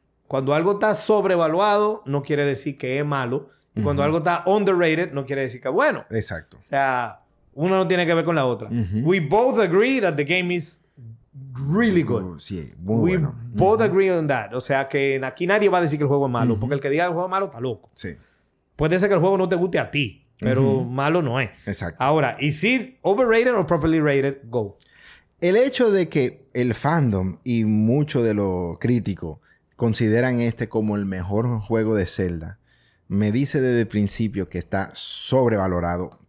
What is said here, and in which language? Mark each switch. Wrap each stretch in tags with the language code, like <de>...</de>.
<es>Cuando algo está sobrevaluado, no quiere decir que es malo. Uh-huh. Y cuando algo está underrated, no quiere decir que es bueno. Exacto. O sea... Una no tiene que ver con la otra. Mm-hmm.</es> <en>We both agree that the game is really good.</en> <es>Sí, muy</es> <en>We</en> <es>bueno.</es> <en>We both agree on that.</en> <es>O sea, que aquí nadie va a decir que el juego es malo. Mm-hmm. Porque el que diga que el juego es malo está loco. Sí. Puede ser que el juego no te guste a ti. Pero malo no es. Exacto.</es> <en>Ahora, ¿is it overrated or properly rated? Go.</en> <es>El hecho de que el fandom y mucho de los críticos consideran este como el mejor juego de Zelda me dice desde el principio que está sobrevalorado.</es>